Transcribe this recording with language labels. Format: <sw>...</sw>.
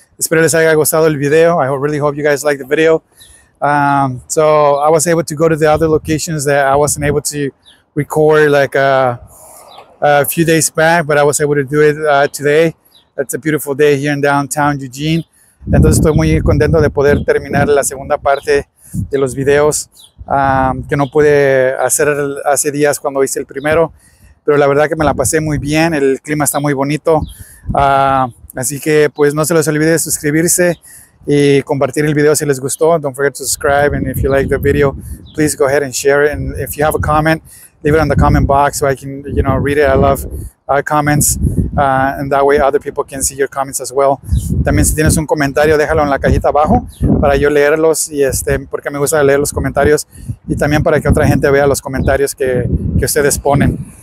<es>Espero les haya gustado el video.</es> <en>I really hope you guys liked the video. So I was able to go to the other locations that I wasn't able to record like a few days back, but I was able to do it today. It's a beautiful day here in downtown Eugene.</en> <es>Entonces estoy muy contento de poder terminar la segunda parte de los videos que no pude hacer hace días cuando hice el primero. Pero la verdad que me la pasé muy bien, el clima está muy bonito. Así que pues no se les olvide de suscribirse y compartir el video si les gustó.</es> <en>Don't forget to subscribe, and if you like the video, please go ahead and share it. And if you have a comment, leave it on the comment box so I can, you know, read it. I love comments, and that way other people can see your comments as well.</en> <es>También si tienes un comentario, déjalo en la cajita abajo para yo leerlos, y porque me gusta leer los comentarios, y también para que otra gente vea los comentarios que ustedes ponen.</es>